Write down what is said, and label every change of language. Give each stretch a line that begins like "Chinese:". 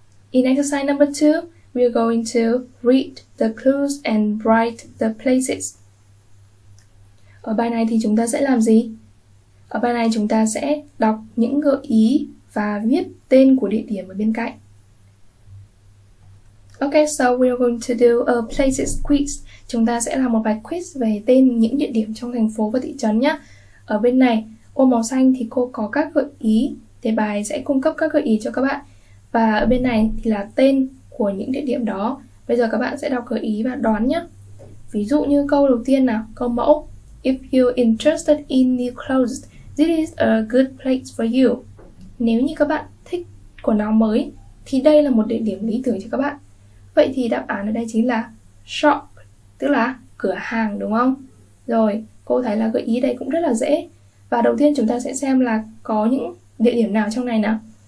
English: In exercise number 2, we are going to read the clues and write the places.
Vietnamese: Ở bài này thì chúng ta sẽ làm gì? Ở bài này chúng ta sẽ đọc những gợi ý và viết tên của địa điểm ở bên cạnh.
English: Ok, so we are going to do a places quiz.
Vietnamese: Chúng ta sẽ làm một bài quiz về tên những địa điểm trong thành phố và thị trấn nhé. Ở bên này, ô màu xanh thì cô có các gợi ý, thì bài sẽ cung cấp các gợi ý cho các bạn. Và ở bên này thì là tên của những địa điểm đó. Bây giờ các bạn sẽ đọc gợi ý và đoán nhé. Ví dụ như câu đầu tiên nào, câu mẫu.
English: If you're interested in new clothes, this is a good place for you.
Vietnamese: Nếu như các bạn thích quần áo mới, thì đây là một địa điểm lý tưởng cho các bạn. Vậy thì đáp án ở đây chính là shop, tức là cửa hàng đúng không? Rồi, cô thấy là gợi ý đây cũng rất là dễ. Và đầu tiên chúng ta sẽ xem là có những địa điểm nào trong này nào.